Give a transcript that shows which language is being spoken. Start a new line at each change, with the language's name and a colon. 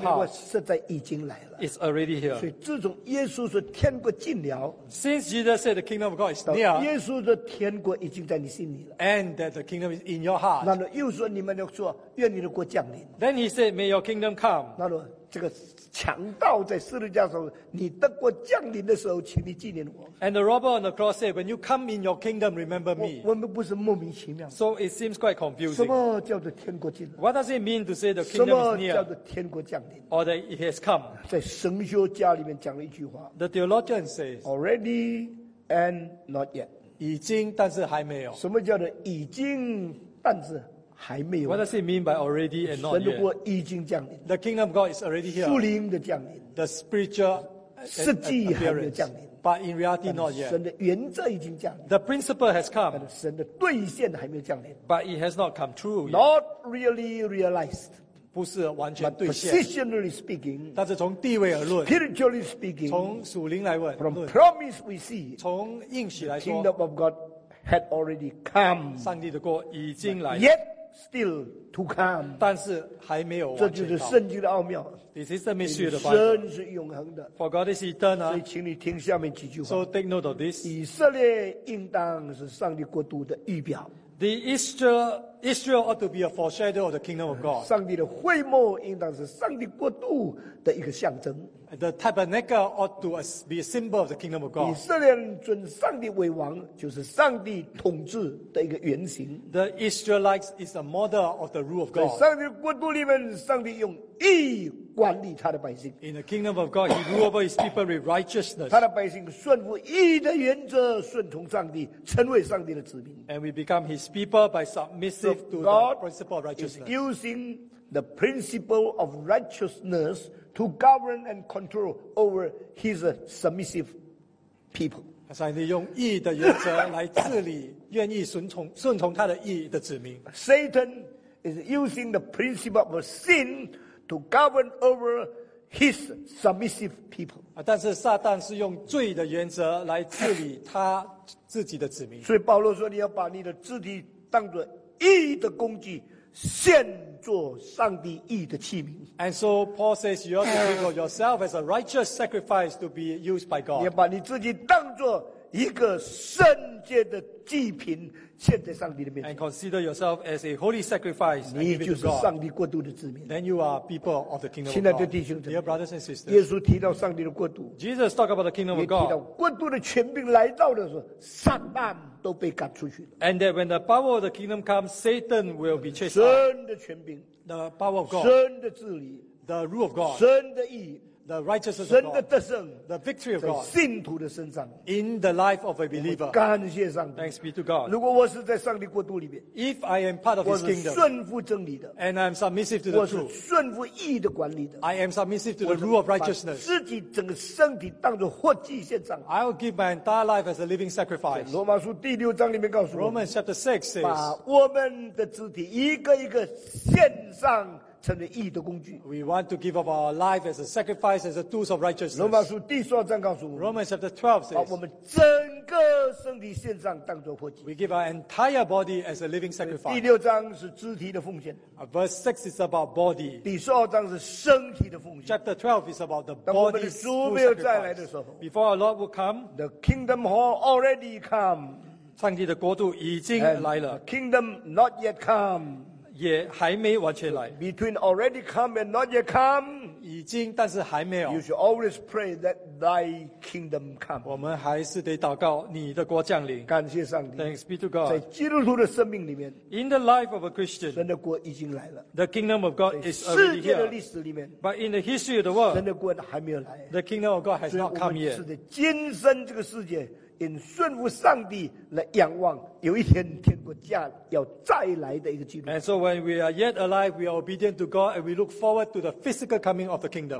Chinese: 上帝的国实在已经来了。
English: It's already here.
Chinese: 所以自从耶稣说天国近了。
English: Since Jesus said the kingdom of God is near.
Chinese: 耶稣说天国已经在你心里了。
English: And that the kingdom is in your heart.
Chinese: 那么又说你们要说愿你的国降临。
English: Then he said, may your kingdom come.
Chinese: 那么这个强盗在十字架上，你的国降临的时候，请你纪念我。
English: And the robber on the cross said, "When you come in your kingdom, remember me."
Chinese: 我们不是莫名其妙。
English: So it seems quite confusing.
Chinese: 什么叫做天国近了
English: ？What does it mean to say the kingdom is near?
Chinese: 什么叫做天国降临
English: ？Or that it has come?
Chinese: 在神学家里面讲了一句话。
English: The theologian says, "Already and not yet."
Chinese: 已经，但是还没有。什么叫做已经，但是？还没有。
English: What does it mean by already and not yet?
Chinese: 神的国已经降临。
English: The kingdom of God is already here.
Chinese: 属灵的降临。
English: The spiritual
Chinese: 实际还没有降临。
English: But in reality not yet.
Chinese: 神的原则已经降临。
English: The principle has come.
Chinese: 神的兑现还没有降临。
English: But it has not come true yet. Not really realized.
Chinese: 不是完全兑现。
English: Positionally speaking.
Chinese: 但是从地位而论。
English: Spiritually speaking.
Chinese: 从属灵来问。
English: From promise we see.
Chinese: 从应许来说。
English: The kingdom of God had already come.
Chinese: 上帝的国已经来。
English: Yet. Still to come.
Chinese: 但是还没有完成到。这就是圣经的奥妙。
English: This is the mystery of the Bible.
Chinese: 神是永恒的。
English: For God is eternal.
Chinese: 所以请你听下面几句话。
English: So take note of this.
Chinese: 以色列应当是上帝国度的预表。
English: The Israel ought to be a foreshadow of the kingdom of God.
Chinese: 上帝的会幕应当是上帝国度的一个象征。
English: The tabernacle ought to be a symbol of the kingdom of God.
Chinese: 以色列人尊上帝为王，就是上帝统治的一个原型。
English: The Israelites is a model of the rule of God.
Chinese: 在上帝国度里面，上帝用义管理他的百姓。
English: In the kingdom of God, He rules over His people with righteousness.
Chinese: 他的百姓顺服义的原则，顺从上帝，成为上帝的子民。
English: And we become His people by submissive to the principle of righteousness. God is using the principle of righteousness. To govern and control over his submissive people.
Chinese: 上帝用义的原则来治理愿意顺从他的义的子民。
English: Satan is using the principle of sin to govern over his submissive people.
Chinese: 但是撒旦是用罪的原则来治理他自己的子民。所以保罗说你要把你的肢体当作义的工具献做上帝义的器皿。
English: And so Paul says you ought to think of yourself as a righteous sacrifice to be used by God.
Chinese: 你要把你自己当作一个圣洁的祭品献在上帝的面前。
English: And consider yourself as a holy sacrifice.
Chinese: 你就是上帝国度的子民。
English: Then you are people of the kingdom of God.
Chinese: 亲爱的弟兄姊妹
English: ，Dear brothers and sisters,
Chinese: 耶稣提到上帝的国度。
English: Jesus talked about the kingdom of God.
Chinese: 也提到国度的权柄来到的时候，撒旦。都被赶出去了。
English: And that when the power of the kingdom comes, Satan will be chased out.
Chinese: 神的权柄
English: the power of God,
Chinese: 神的治理
English: the rule of God,
Chinese: 神的义
English: the righteousness of God,
Chinese: 神的得胜,
English: the victory of God
Chinese: 在信徒的身上,
English: in the life of a believer.
Chinese: 我感谢上帝,
English: thanks be to God.
Chinese: 如果我是在上帝国度里面,
English: if I am part of his kingdom,
Chinese: 我是顺服真理的,
English: and I am submissive to the truth,
Chinese: 我是顺服义的管理的,
English: I am submissive to the rule of righteousness,
Chinese: 我把自己整个身体当作活祭献上,
English: I'll give my entire life as a living sacrifice.
Chinese: 罗马书第六章里面告诉我,
English: Romans chapter 6 says,
Chinese: 把我们的肢体一个一个献上,
English: we want to give up our life as a sacrifice, as a tools of righteousness.
Chinese: 罗马书第十二章告诉我们,
English: Romans chapter 12 says,
Chinese: 把我们整个身体献上当作活祭,
English: we give our entire body as a living sacrifice.
Chinese: 第六章是肢体的奉献,
English: verse 6 is about body.
Chinese: 第十二章是身体的奉献,
English: chapter 12 is about the body.
Chinese: 当我们的主没有再来的时候,
English: before our Lord will come, the kingdom hall already come.
Chinese: 上帝的国度已经来了,
English: kingdom not yet come.
Chinese: 也还没完全来,
English: between already come and not yet come,
Chinese: 已经但是还没有,
English: you should always pray that thy kingdom come.
Chinese: 我们还是得祷告你的国降临, 感谢上帝,
English: thanks be to God.
Chinese: 在基督徒的生命里面,
English: in the life of a Christian,
Chinese: 神的国已经来了,
English: the kingdom of God is already here.
Chinese: 世界的历史里面,
English: but in the history of the world,
Chinese: 神的国还没有来,
English: the kingdom of God has not come yet.
Chinese: 所以我们是得今生这个世界, in 顺服上帝来仰望, 有一天天国家要再来的一个基督徒,
English: and so when we are yet alive, we are obedient to God and we look forward to the physical coming of the kingdom.